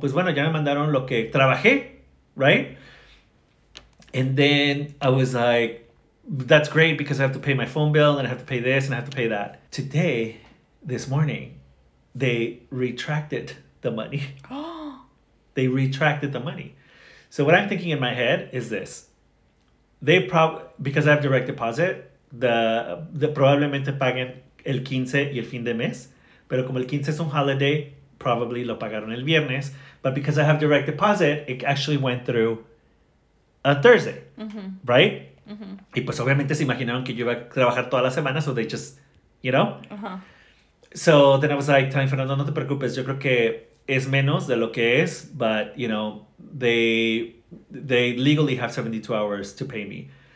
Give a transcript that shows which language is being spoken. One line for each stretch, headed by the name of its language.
Spanish: Pues bueno, ya me mandaron lo que trabajé,
English: right? And then I was like, that's great because I have to pay my phone bill and I have to pay this and I have to pay that. Today, this morning, they retracted the money. They retracted the money. So what I'm thinking in my head is this. They because I have direct deposit, the
Spanish: probablemente paguen el 15 y el fin de mes. Pero como el 15 es un holiday,
English: probably
Spanish: lo pagaron el viernes.
English: But because I have direct deposit, it actually went through a Thursday.
Spanish: Mm-hmm.
English: Right?
Spanish: Mm-hmm. Y pues obviamente se imaginaron que yo iba a trabajar toda la semana,
English: so they just, you know?
Spanish: Uh-huh.
English: So then I was like, telling Fernando,
Spanish: no te preocupes, yo creo que es menos de lo que es,
English: but, you know, they legally have 72 hours to pay me.